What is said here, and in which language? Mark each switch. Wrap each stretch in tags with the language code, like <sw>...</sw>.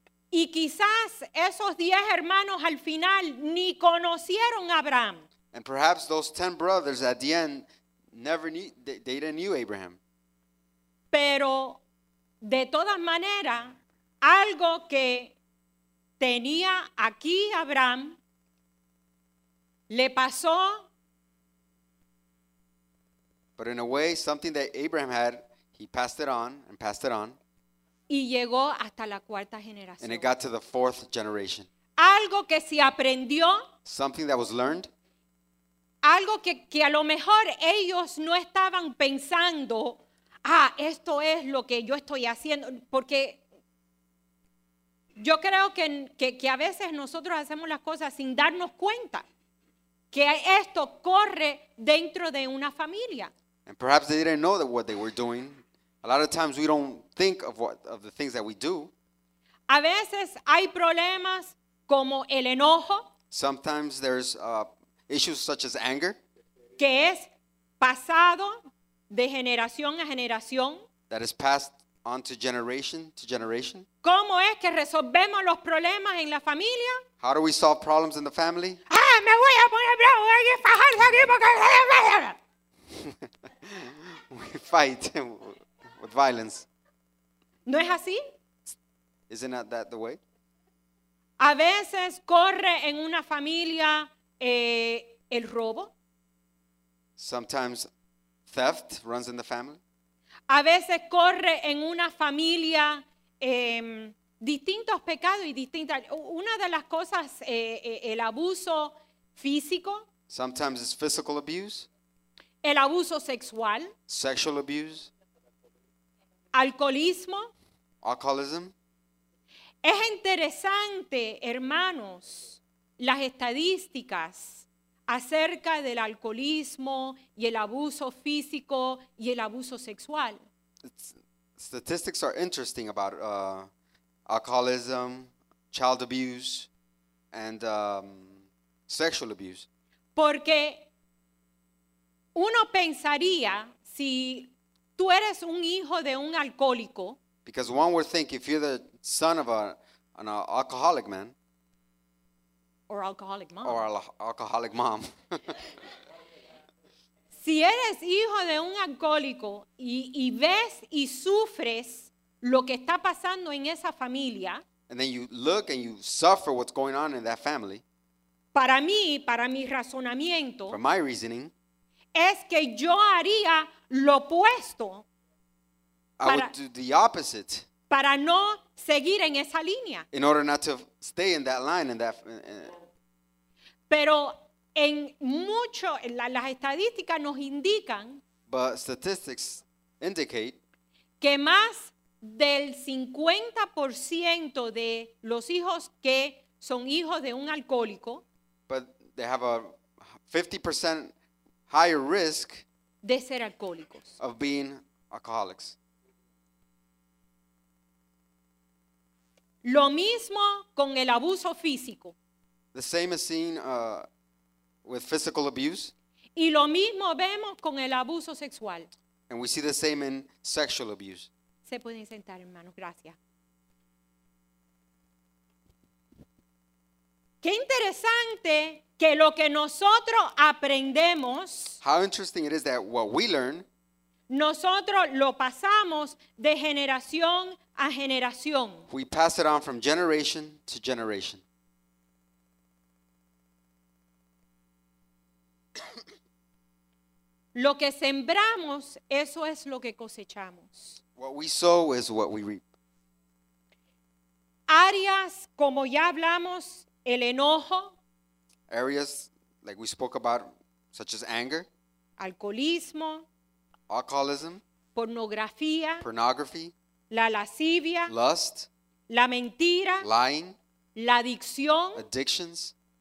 <es>Y quizás esos 10 hermanos al final ni conocieron a Abraham.</es> <en>And perhaps those 10 brothers at the end never knew, they didn't know Abraham.</en> <es>Pero de todas maneras, algo que tenía aquí Abraham le pasó.</es> <en>But in a way, something that Abraham had, he passed it on.</en> <es>Y llegó hasta la cuarta generación.</es> <en>And it got to the fourth generation.</en> <es>Algo que se aprendió.</es> <en>Something that was learned.</en> <es>Algo que a lo mejor ellos no estaban pensando, ah, esto es lo que yo estoy haciendo. Porque yo creo que a veces nosotros hacemos las cosas sin darnos cuenta que esto corre dentro de una familia.</es> <en>And perhaps they didn't know that what they were doing. A lot of times we don't think of the things that we do.</en> <es>A veces hay problemas como el enojo.</es> <en>Sometimes there's issues such as anger.</en> <es>Que es pasado de generación a generación.</es> <en>That is passed on to generation to generation.</en> <es>¿Cómo es que resolvemos los problemas en la familia?</es> <en>How do we solve problems in the family?</en> <es>¡Ah, me voy a poner bravo! ¡Voy a ir fajarse aquí porque...</es> <en>We fight with violence.</en> <es>¿No es así?</es> <en>Isn't that the way?</en> <es>A veces corre en una familia el robo.</es> <en>Sometimes theft runs in the family.</en> <es>A veces corre en una familia distintos pecados y distintas. Una de las cosas, el abuso físico.</es> <en>Sometimes it's physical abuse.</en> <es>El abuso sexual.</es> <en>Sexual abuse.</en> <es>Alcoholismo.</es> <en>Alcoholism.</en> <es>Es interesante, hermanos, las estadísticas acerca del alcoholismo y el abuso físico y el abuso sexual.</es> <en>Statistics are interesting about alcoholism, child abuse, and sexual abuse.</en> <es>Porque uno pensaría, si tú eres un hijo de un alcohólico,</es> <en>because one would think if you're the son of an alcoholic man, or alcoholic mom, or alcoholic mom.</en> <es>Si eres hijo de un alcohólico y ves y sufres lo que está pasando en esa familia,</es> <en>and then you look and you suffer what's going on in that family.</en> <es>Para mí, para mi razonamiento,</es> <en>for my reasoning,</en> <es>es que yo haría lo opuesto.</es> <en>I would do the opposite.</en> <es>Para no seguir en esa línea.</es> <en>In order not to stay in that line. In that,</en> <es>Pero en mucho, las estadísticas nos indican,</es> <en>but statistics indicate,</en> <es>que más del 50% de los hijos que son hijos de un alcohólico,</es> <en>but they have a 50% higher risk</en> <es>de ser alcohólicos,</es> <en>of being alcoholics.</en> <es>Lo mismo con el abuso físico.</es> <en>The same is seen with physical abuse.</en> <es>Y lo mismo vemos con el abuso sexual.</es> <en>And we see the same in sexual abuse.</en> <es>Se pueden sentar, hermanos. Gracias. Qué interesante que lo que nosotros aprendemos,</es> <en>how interesting it is that what we learn,</en> <es>nosotros lo pasamos de generación a generación.</es> <en>We pass it on from generation to generation.</en> <es>Lo que sembramos, eso es lo que cosechamos.</es> <en>What we sow is what we reap.</en> <es>Áreas, como ya hablamos, el enojo.</es> <en>Areas, like we spoke about, such as anger.</en> <es>Alcoholismo.</es> <en>Alcoholism.</en> <es>Pornografía.</es> <en>Pornography.</en> <es>La lascivia.</es> <en>Lust.</en> <es>La mentira.</es> <en>Lying.</en> <es>La adicción.</es> <en>Addictions.</en>